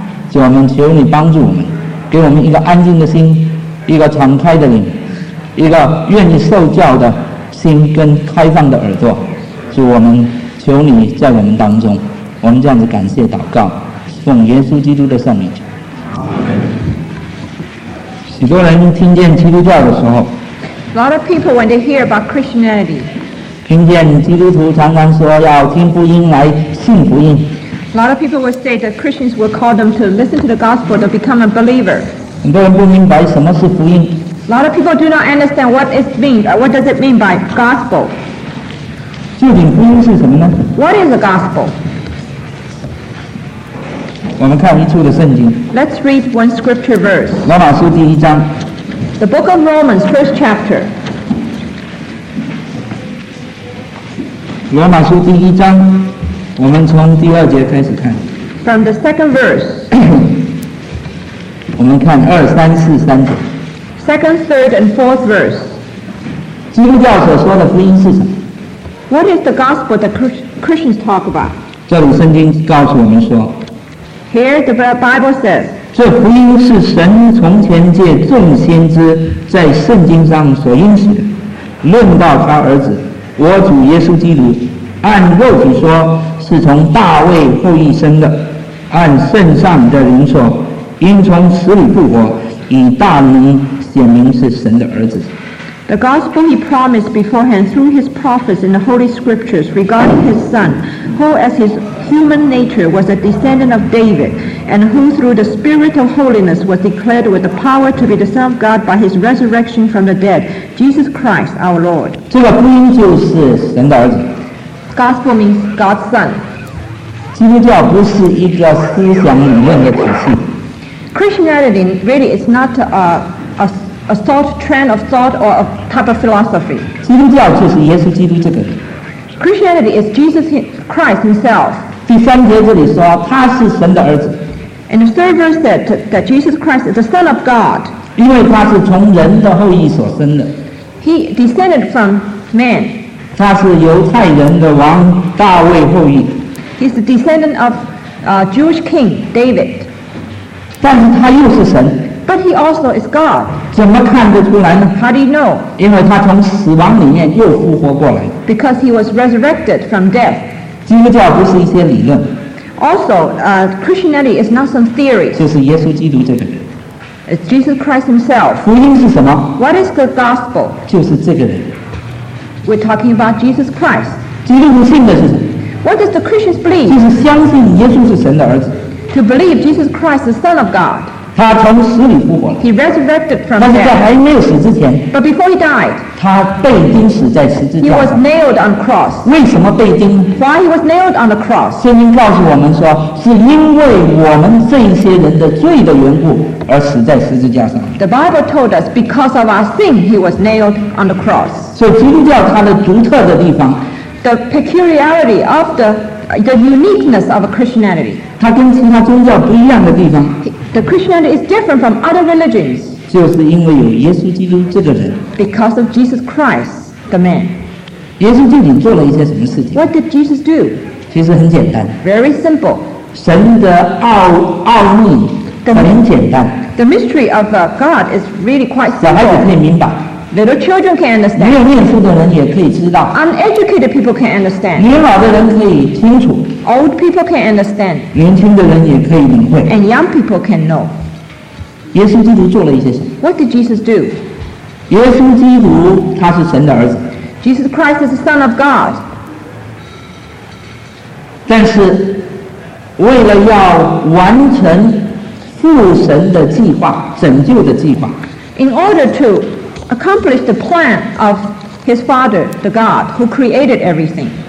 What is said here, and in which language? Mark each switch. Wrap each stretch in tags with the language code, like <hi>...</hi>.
<zh>主，我们求你帮助我们，给我们一个安静的心，一个敞开的灵，一个愿意受教的心跟开放的耳朵。主，我们求你在我们当中，我们这样子感谢祷告，奉耶稣基督的圣名求。许多人听见基督教的时候，</zh> <en>A lot of people when they hear about Christianity,</en> <zh>听见基督徒常常说要听福音来信福音。</zh> <en>A lot of people will say that Christians will call them to listen to the gospel to become a believer.</en> <zh>很多人不明白什么是福音。</zh> <en>A lot of people do not understand what it means, or what does it mean by gospel.</en> <zh>究竟福音是什么呢？</zh> <en>What is a gospel?</en> <zh>我们看一处的圣经。</zh> <en>Let's read one scripture verse.</en> <zh>罗马书第一章。</zh> <en>The book of Romans, first chapter.</en> <zh>罗马书第一章，我们从第二节开始看。</zh> <en>From the second verse，</en> <zh>我们看二三四三节。</zh> <en>Second, third, and fourth verse。</en> <zh>基督教所说的福音是什么</zh> <en>？What is the gospel that Christians talk about？</en> <zh>这里圣经告诉我们说</zh> <en>，Here the Bible says，</en> <zh>这福音是神从前借众先知在圣经上所应许的，论到他儿子。我主耶稣基督按肉体说是从大卫后裔生的按圣上的灵说因从死里复活以大能显明是神的儿子</zh> <en>The gospel he promised beforehand through his prophets in the holy scriptures regarding his son who as his human nature was a descendant of David and who through the spirit of holiness was declared with the power to be the son of God by his resurrection from the dead Jesus Christ our Lord</en> <zh>这个福音就是神的儿子</zh> <en>Gospel means God's son</en> <zh>基督教不是一个思想理论的体系</zh> <en>Christianity really is not a thought trend of thought or a type of philosophy</en> <zh>基督教就是耶稣基督这个人</zh> <en>Christianity is Jesus Christ himself</en> <zh>第三节这里说他是神的儿子</zh> <en>And the third verse said that Jesus Christ is the son of God</en> <zh>因为他是从人的后裔所生的</zh> <en>He descended from man</en> <zh>他是犹太人的王大卫后裔</zh> <en>He's the descendant of Jewish king David</en> <zh>但是他又是神</zh> <en>But he also is God</en> <zh>怎么看得出来呢</zh> <en>How do you know?</en> <zh>因为他从死亡里面又复活过来</zh> <en>Because he was resurrected from death</en> <zh>基督教不是一些理论</zh> <en>Also, Christianity is not some theory</en> <zh>就是耶稣基督这个人</zh> <en>It's Jesus Christ himself</en> <zh>福音是什么</zh> <en>What is the gospel?</en> <zh>就是这个人</zh> <en>We're talking about Jesus Christ</en> <zh>基督徒信的是什么</zh> <en>What does the Christians believe?</en> <zh>就是相信耶稣是神的儿子</zh> <en>To believe Jesus Christ is the son of God</en> <zh>他从死里复活了</zh> <en>He resurrected from death</en> <zh>但是在还没有死之前</zh> <en>But before he died</en> <zh>他被钉死在十字架上。</zh> <en>He was nailed on cross.</en> <zh>为什么被钉</zh> <en>？Why he was nailed on the cross?</en> <zh>圣经告诉我们说，是因为我们这些人的罪的缘故而死在十字架上。</zh> <en>The Bible told us because of our sin he was nailed on the cross.</en> <zh>所以基督教它的独特的地方</zh> <en>，the peculiarity of the uniqueness of Christianity.</en> <zh>它跟其他宗教不一样的地方</zh> <en>，the Christianity is different from other religions.</en> <zh>就是因为有耶稣基督这个人</zh> <en>Because of Jesus Christ, the man</en> <zh>耶稣究竟做了一些什么事情</zh> <en>What did Jesus do?</en> <zh>其实很简单</zh> <en>Very simple</en> <zh>神的奥秘很简单</zh> <en>The mystery of God is really quite simple</en> <zh>小孩子可以明白</zh> <en>Little children can understand</en> <zh>没有念书的人也可以知道</zh> <en>Uneducated people can understand</en> <zh>年老的人可以清楚</zh> <en>Old people can understand</en> <zh>年轻的人也可以领会</zh> <en>And young people can know</en> <zh>耶稣基督做了一些什么</zh> <en>What did Jesus do?</en> <zh>耶稣基督他是神的儿子</zh> <en>Jesus Christ is the son of God</en> <zh>但是为了要完成父神的计划拯救的计划</zh> <en>In order to accomplish the plan of his father, the God who created everything</en>